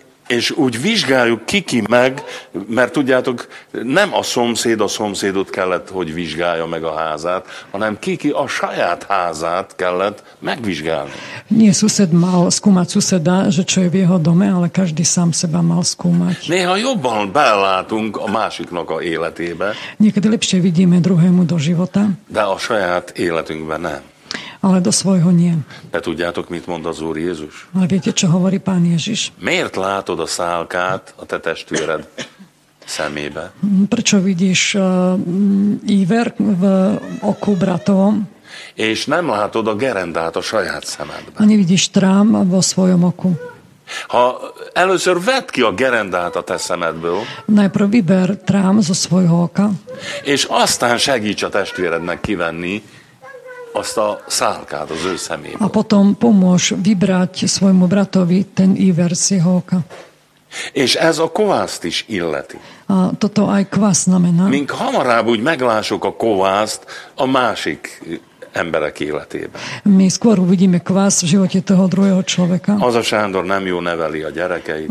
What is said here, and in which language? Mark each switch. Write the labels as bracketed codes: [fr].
[hu] És úgy vizsgáljuk ki meg, mert tudjátok, nem a szomszédot kellett, hogy vizsgálja meg a házát, hanem ki a saját házát kellett megvizsgálni. [sk] Nie szused mal skúmať szuseda, že čo je v jeho dome, ale každý sám seba mal skúmať. [hu] Néha jobban belátunk a másiknak a életébe. [sk] Niekedy lepšie vidíme druhému do života. [hu] De a saját életünkben nem. [sk] Ale do svojho nie. [hu] De tudjátok, mit mond az Úr Jézus? [sk] Ale viete, čo hovorí Pán Ježiš? [hu] Miért látod a szálkát a te testvéred szemébe? [sk] Prečo vidíš íver v oku bratovom? [hu] És nem látod a gerendát a saját szemedben. [sk] Ani vidíš trám vo svojom oku. [hu] Ha először vedd ki a gerendát a te szemedből, [sk] najprv vyber trám zo svojho oka, [hu] és aztán segíts a testvérednek kivenni azt a szálkát az ő szeméből. [sk] A potom pomôž vybrať svojmu bratovi ten iver z jeho oka. [hu] És ez a kovászt is illeti. [sk] A toto aj kvász znamená. [hu] Mink hamarább úgy meglások a kovászt a másik emberek életében. [sk] Mi skôr uvidíme kvász v živote toho druhého človeka. [hu] Az a Sándor nem jó neveli a gyerekeit.